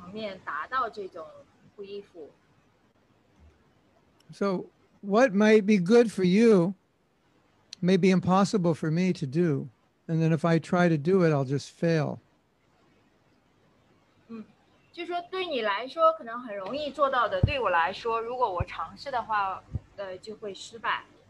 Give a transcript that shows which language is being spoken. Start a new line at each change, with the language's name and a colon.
Chinese: 就是很重要的要理解到，就是我们都可以在同一个层面达到这种不依附。
English: So what might be good for you may be impossible for me to do. And then if I try to do it, I'll just fail.
Chinese: 就说对你来说可能很容易做到的，对我来说，如果我尝试的话，就会失败。